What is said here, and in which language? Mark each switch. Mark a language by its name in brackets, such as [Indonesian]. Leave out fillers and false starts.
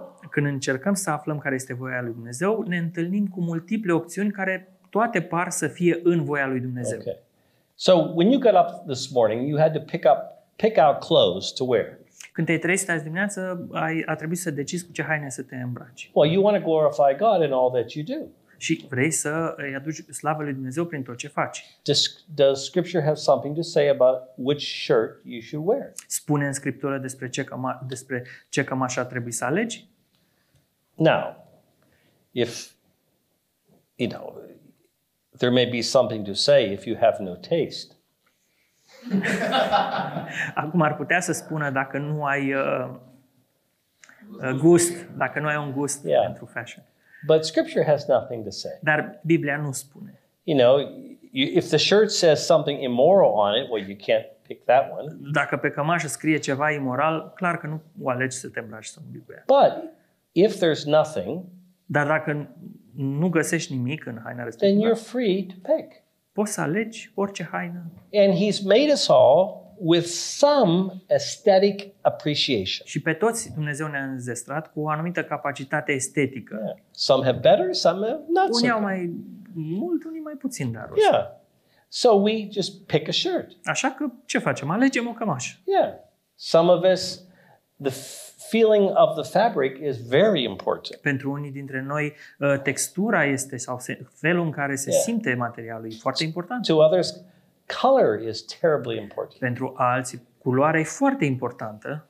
[Romanian] Când încercăm să aflăm care este voia lui Dumnezeu, ne întâlnim cu multiple opțiuni care toate par să fie în voia lui Dumnezeu. Okay. [English] So when you got up this morning, you had to pick out clothes to wear. [Romanian] Când te-ai trezit azi dimineață, a trebuit să decizi cu ce haine să te îmbraci. [English] Well, you want to glorify God in all that you do. [Romanian] Și vrei să îi aduci slavă lui Dumnezeu prin tot ce faci. [English] Does scripture have something to say about which shirt you should wear? [Romanian] Spune în Scriptură despre ce cămașă trebuie să alegi? [English] Now, if you know, there may be something to say if you have no taste. [Romanian] Acum ar putea să spună dacă nu ai gust, dacă nu ai un gust yeah. pentru fashion. [English] But scripture has nothing to say. [Romanian] Dar Biblia nu spune. [English] You know, if the shirt says something immoral on it, well, you can't pick that one. [Romanian] Dacă pe cămașă scrie ceva imoral, clar că nu o alegi să te îmbraci sau Biblia. [English] But if there's nothing, [Romanian] dar dacă nu găsești nimic în haina respectivă, [English] then you're free to pick. [Romanian] Poți să alegi orice haină. [English] And he's made us all with some aesthetic appreciation. [Romanian] Și pe toți Dumnezeu ne-a înzestrat cu o anumită capacitate estetică. [English] Yeah. Some have better, some have not. [Romanian] Unii au mai mult, unii mai puțin daros. [English] Yeah. So we just pick a shirt. [Romanian] Așa că ce facem? Alegem o cămașă. Yeah. [English] Some of us, the feeling of the fabric is very important. [Romanian] Pentru unii dintre noi, textura este sau felul în care se simte materialul e foarte important. [English] To others, color is terribly important. [Romanian] Pentru alții, culoarea e foarte importantă.